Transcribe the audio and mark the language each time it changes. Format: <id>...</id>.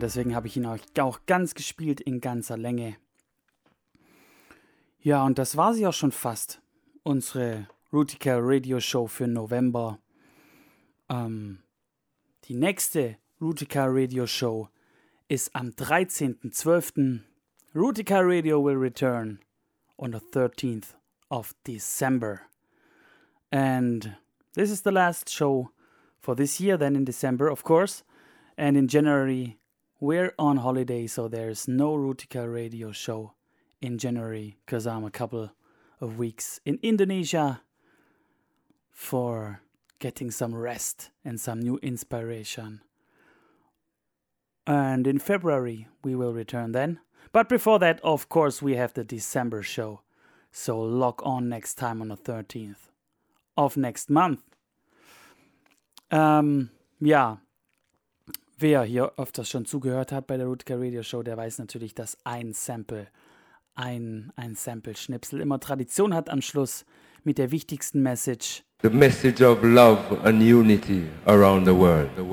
<de>Deswegen habe ich ihn euch auch ganz gespielt, in ganzer Länge. Ja, und das war sie auch schon fast, unsere Rootikal Radio Show für November. Die nächste Rootikal Radio Show ist am 13.12.</de> <en>Rootikal Radio will return on the 13th of December. And this is the last show for this year, then in December, of course. And in January, we're on holiday, so there's no Rootikal Radio Show in January, because I'm a couple of weeks in Indonesia for getting some rest and some new inspiration. And in February, we will return then. But before that, of course, we have the December show. So lock on next time on the 13th of next month.</en> <de>Ja, wer hier öfters schon zugehört hat bei der Rootikal Radio Show, der weiß natürlich, dass ein Sample-Schnipsel immer Tradition hat am Schluss mit der wichtigsten Message.</de> <en>The message of love and unity around the world.</en>